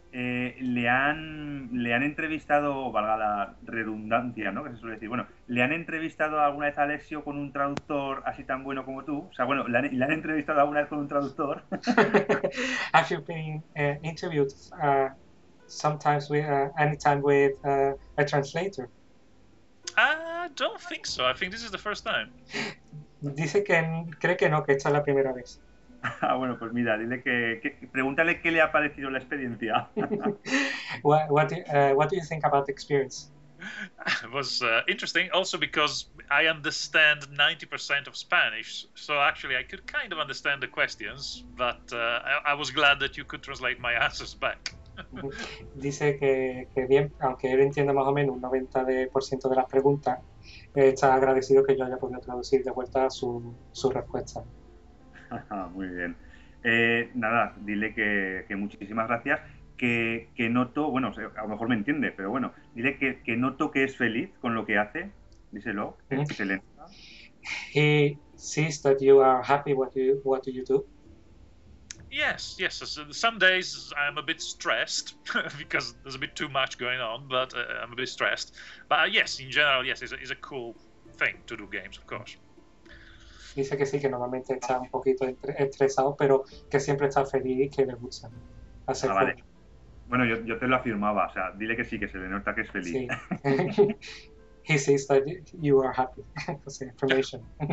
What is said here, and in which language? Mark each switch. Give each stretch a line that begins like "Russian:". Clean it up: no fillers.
Spanish: ¿Le han entrevistado, valga la redundancia, ¿no? Que se suele decir, bueno, ¿le han entrevistado alguna vez a Alessio con un traductor así tan bueno como tú? O sea, bueno, ¿le han entrevistado alguna vez con un traductor?
English: Have you been interviewed sometimes with anytime with a translator? I don't think so. I think this is the first time.
Spanish: Dice que cree que no, que esta es la primera vez. Ah, bueno, pues mira, dile que pregúntale qué le ha parecido la experiencia.
English: What do you think about the experience? It was interesting, also because I understand 90% of Spanish, so actually I could kind of understand the questions, but I was glad that you could translate my answers back.
Spanish: Dice que bien, aunque él entienda más o menos un 90% de las preguntas, está agradecido que yo haya podido traducir de vuelta su respuesta. Muy bien. Nada, dile que muchísimas gracias, que noto, bueno, a lo mejor me entiende, pero bueno, dile que noto que es feliz con lo que hace, díselo, que se le nota.
English: He sees that you are happy what you do. Yes, some days I'm a bit stressed because there's a bit too much going on, but I'm a bit stressed. But yes, in general, yes, it's a cool thing to do games, of course.
Spanish: Dice que sí, que normalmente está un poquito estresado, pero que siempre está feliz y que le gusta hacer. Ah, vale. Bueno, yo te lo afirmaba, o sea, dile que sí, que se le nota que es feliz. Sí.
English: He says that you are happy. That's the information.